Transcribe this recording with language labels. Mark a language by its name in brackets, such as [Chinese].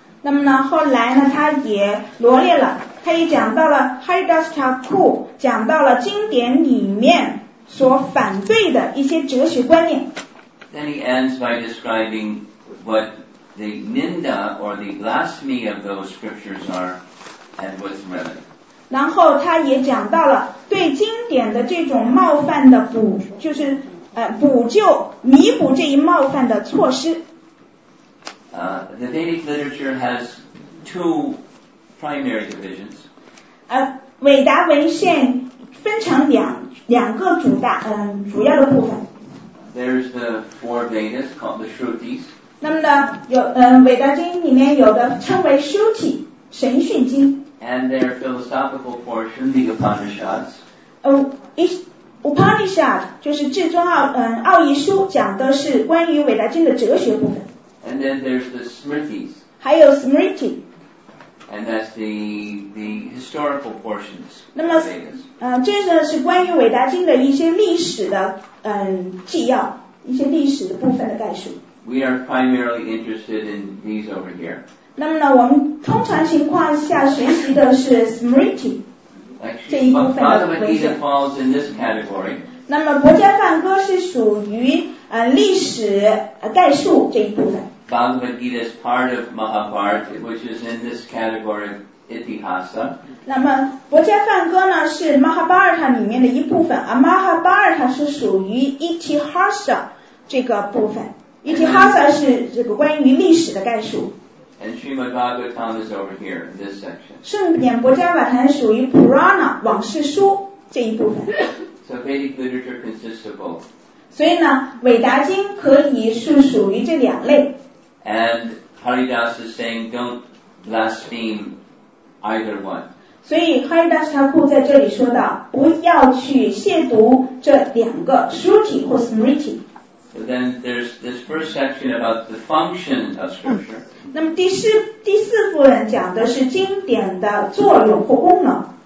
[Chinese] 那么呢，后来呢，他也罗列了，他也讲到了 Haridas Thakur 讲到了经典里面所反对的一些哲学观念。 [English] Then he ends by describing what the ninda or the blasphemy of those scriptures are, and what's remedy. [Chinese] 然后他也讲到了对经典的这种冒犯的补，就是。补救弥补这一冒犯的措施。 [English] The Vedic literature has 2 primary divisions. [Chinese] 韦达文献分成两个主要的部分。 [English] There's the 4 Vedas called the Shrutis. [Chinese] 那么呢，有韦达经里面有的称为 Shruti 神训经。 [English] And their philosophical portion, the Upanishads. [Chinese] Upanishad 就是至尊奥义书讲的是关于韦达经的哲学部分 [English] And then there's the Smritis [Chinese] 还有 Smriti [English] And that's the historical portions [Chinese] 那么这个是关于韦达经的一些历史的纪要一些历史的部分的概述 [English] We are primarily interested in these over here [Chinese] 那么呢我们通常情况下学习的是 Smriti [English] Actually, Bhagavad Gita falls in this category. [Chinese] 那么《博家梵歌》是属于历史概述这一部分。 [English] Bhagavad Gita is part of Mahabharata, which is in this category of Itihasa. [Chinese] 那么《博家梵歌》呢是 Mahabharata 里面的一部分，而 Mahabharata 是属于 Itihasa 这个部分。 Itihasa 是这个关于历史的概述。 [English] And Srimad Bhagavatam is over here in this section. [Chinese] 圣典《博家梵谈》属于 Purana 往事书这一部分。 [English] So Vedic literature consists of both. [Chinese] 所以呢，伟达经可以是属于这两类。 [English] And Haridas is saying, don't blaspheme either one. [Chinese] 所以 Haridas 他故在这里说到，不要去亵渎这两个 Shruti 或 Smriti. [English] So then there's this first section about the function of scripture. [Chinese] 那么第四部分讲的是经典的作用或功能。